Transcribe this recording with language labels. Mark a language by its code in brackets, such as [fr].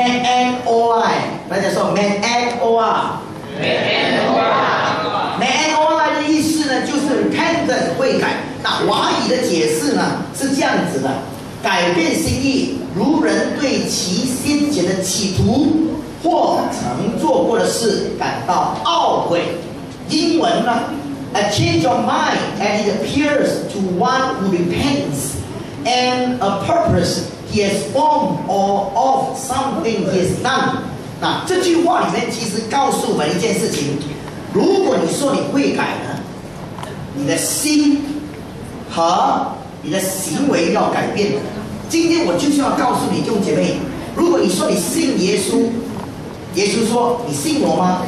[zh] Manoi， 大家说 Manoi 的意思呢，就是 repentance 悔改。那华语的解释呢是这样子的：改变心意，如人对其先前的企图或曾做过的事感到懊悔。英文呢 [en] ，A change of mind and it appears to one who repents and a purpose。 He has formed or of something he has done。 [zh] 那这句话里面其实告诉我们一件事情，如果你说你悔改呢，你的心和你的行为要改变。今天我就是要告诉你弟兄姐妹，如果你说你信耶稣，耶稣说你信我吗？